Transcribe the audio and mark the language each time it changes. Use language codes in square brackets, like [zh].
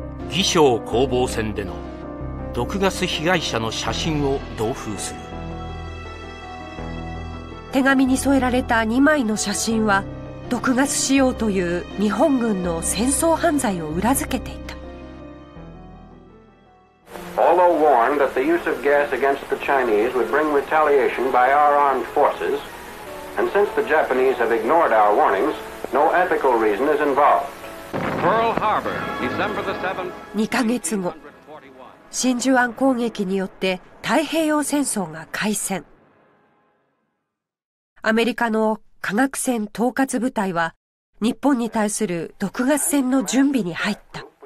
[ja] 偽装攻防戦での毒ガス被害者の写真を同封する。手紙に添えられた2枚の写真は、毒ガス使用という日本軍の戦争犯罪を裏付けていた。 [en] Although warned that the use of gas against the Chinese would bring retaliation by our armed forces, and since the Japanese have ignored our warnings, no ethical reason is involved. Pearl Harbor, December the 7th. [ja] 2ヶ月後、真珠湾攻撃によって太平洋戦争が開戦。アメリカの化学戦統括部隊は日本に対する毒ガス戦の準備に入った。